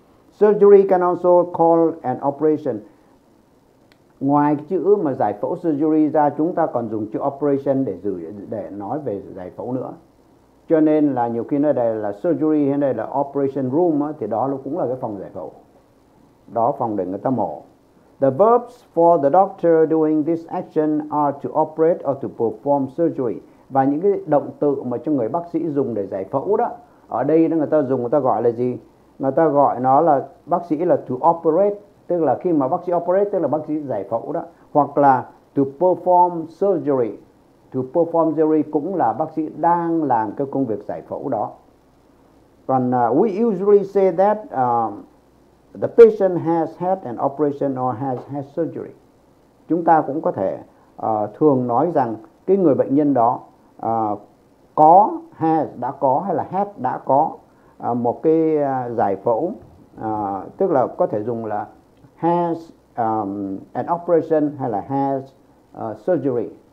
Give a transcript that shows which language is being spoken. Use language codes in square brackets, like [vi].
[en] Surgery can also call an operation. [vi] Ngoài cái chữ mà giải phẫu surgery ra, chúng ta còn dùng chữ operation để nói về giải phẫu nữa. Cho nên là nhiều khi nó đây là surgery hay đây là operation room á, thì đó nó cũng là cái phòng giải phẫu. Đó, phòng để người ta mổ. [en] The verbs for the doctor doing this action are to operate or to perform surgery. [vi] Và những cái động từ mà cho người bác sĩ dùng để giải phẫu đó, ở đây đó người ta dùng, người ta gọi là gì? Người ta gọi nó là bác sĩ là to operate, tức là khi mà bác sĩ operate, tức là bác sĩ giải phẫu đó. Hoặc là to perform surgery. To perform surgery cũng là bác sĩ đang làm cái công việc giải phẫu đó. [en] Còn we usually say that the patient has had an operation or has had surgery. [vi] Chúng ta cũng có thể thường nói rằng cái người bệnh nhân đó có, has, đã có, hay là had, đã có một cái giải phẫu, tức là có thể dùng là [en] has an operation [vi] hay là [en] has surgery.